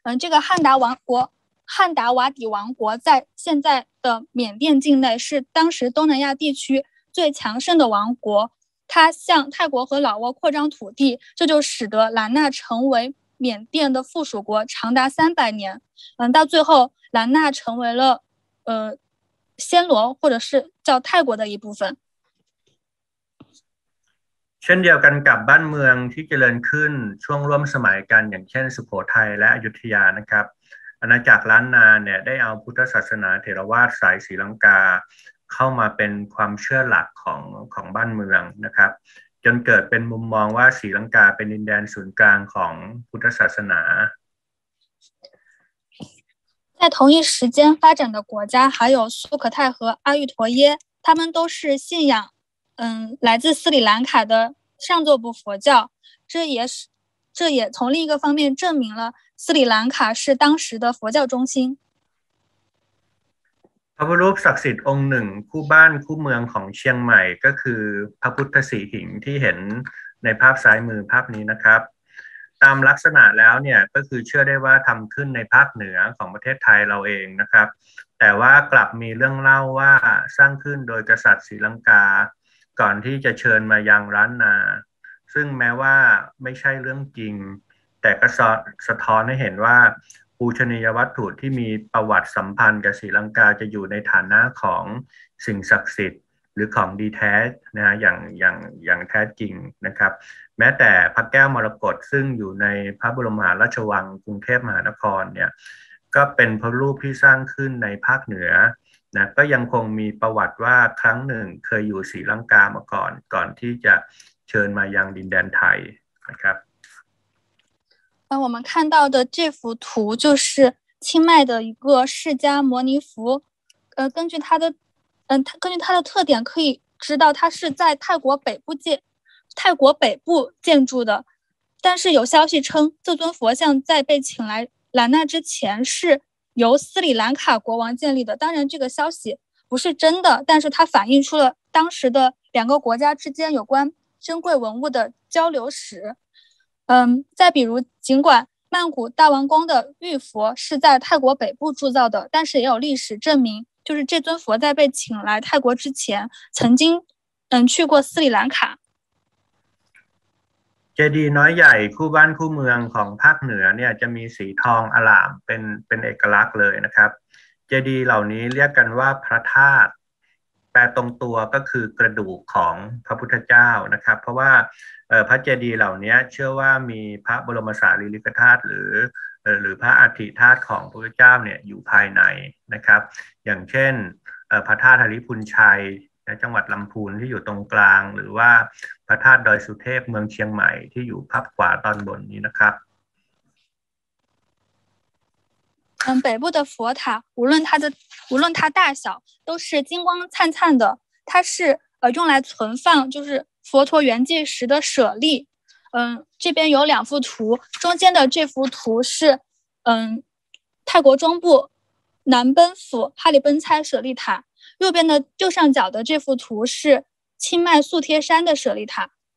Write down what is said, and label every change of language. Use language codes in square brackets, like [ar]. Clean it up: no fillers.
[zh] 这个汉达瓦底王国在现在的缅甸境内是当时东南亚地区最强盛的王国它向泰国和老挝扩张土地这就使得兰纳成为缅甸的附属国长达300年到最后兰纳成为了暹罗或者是叫泰国的一部分 [th] เช่นเดียวกันกับบ้านเมืองที่เจริญขึ้นช่วงร่วมสมัยกันอย่างเช่นสุโขทัยและอยุธยานะครับอาณาจักรล้านนาเนี่ยได้เอาพุทธศาสนาเถรวาทสายศรีลังกาเข้ามาเป็นความเชื่อหลักของบ้านเมืองนะครับจนเกิดเป็นมุมมองว่าศรีลังกาเป็นดินแดนศูนย์กลางของพุทธศาสนา [zh] 在同一时间发展的国家还有苏可泰和阿育陀耶他们都是信仰来自斯里兰卡的上座部佛教这也从另一个方面证明了斯里兰卡是当时的佛教中心 [th] พระพุทธรูปศักดิ์สิทธิ์องค์หนึ่งคู่บ้านคู่เมืองของเชียงใหม่ก็คือพระพุทธสีหิงที่เห็นในภาพซ้ายมือภาพนี้นะครับ ตามลักษณะแล้วเนี่ยก็คือเชื่อได้ว่าทำขึ้นในภาคเหนือของประเทศไทยเราเองนะครับแต่ว่ากลับมีเรื่องเล่าว่าสร้างขึ้นโดยกษัตริย์ศรีลังกาก่อนที่จะเชิญมายังร้านนาซึ่งแม้ว่าไม่ใช่เรื่องจริงแต่ก็สะท้อนให้เห็นว่าปูชนียวัตถุที่มีประวัติสัมพันธ์กับศรีลังกาจะอยู่ในฐานะของสิ่งศักดิ์สิทธิ์หรือของดีแท้นะอ ย่างแท้จริงนะครับแม้แต่พระแก้วมรกตซึ่งอยู่ในพระบรมหาราชวังกรุงเทพมหานครเนี่ยก็เป็นพระรูปที่สร้างขึ้นในภาคเหนือนะก็ยังคงมีประวัติว่าครั้งหนึ่งเคยอยู่ศรีลังกามาก่อนที่จะเชิญมายังดินแดนไทยนะครับ [zh] 我们看到的这幅图就是清迈的一个释迦牟尼佛根据它的特点可以知道它是在泰国北部建筑的但是有消息称这尊佛像在被请来兰纳之前是由斯里兰卡国王建立的，当然这个消息不是真的，但是它反映出了当时的两个国家之间有关珍贵文物的交流史。再比如，尽管曼谷大王宫的玉佛是在泰国北部铸造的，但是也有历史证明，就是这尊佛在被请来泰国之前，曾经去过斯里兰卡。 [th] จดีย์น้อยใหญ่คู่บ้านคู่เมืองของภาคเหนือเนี่ยจะมีสีทองอร่ามเป็นเอกลักษณ์เลยนะครับเจดีย์เหล่านี้เรียกกันว่าพระธาตุแต่ตรงตัวก็คือกระดูกของพระพุทธเจ้านะครับเพราะว่าพระเจดีย์เหล่านี้เชื่อว่ามีพระบรมสารีริกธาตุหรือ พระอัฐิธาตุของพระพุทธเจ้าเนี่ยอยู่ภายในนะครับอย่างเช่นพระธาตุหริพุนชัยจังหวัดลำพูนที่อยู่ตรงกลางหรือว่าพระธาตุดอยสุเทพเมืองเชียงใหม่ที่อยู่ภาพขวาตอนบนนี้นะครับ [zh] 北部的佛塔无论它大小都是金光灿灿的它是用来存放就是佛陀圆寂时的舍利这边有两幅图中间的这幅图是泰国中部南奔府哈里奔猜舍利塔右边的右上角的这幅图是清迈素贴山的舍利塔。